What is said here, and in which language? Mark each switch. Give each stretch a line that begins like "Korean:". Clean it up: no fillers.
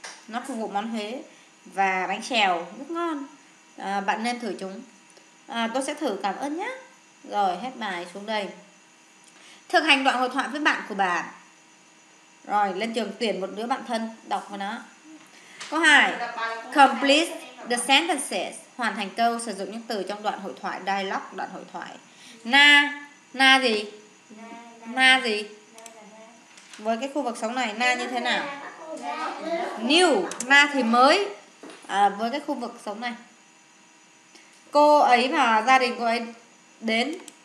Vietnamese: Nó phục vụ món Huế và bánh xèo rất ngon. Bạn nên thử chúng. Tôi sẽ thử, cảm ơn nhé. Rồi, hết bài, xuống đây. Thực hành đoạn hội thoại với bạn của bạn. Rồi, lên trường tuyển một đứa bạn thân đọc với nó. Câu 2.
English: Complete the sentences.
Vietnamese: Hoàn thành câu, sử dụng những từ trong đoạn hội thoại, dialogue, đoạn hội thoại. Na, na gì? Na gì? Với cái khu vực sống này, na như thế nào? New, na thì mới. Với cái khu vực sống này, cô ấy và gia đình cô ấy đến.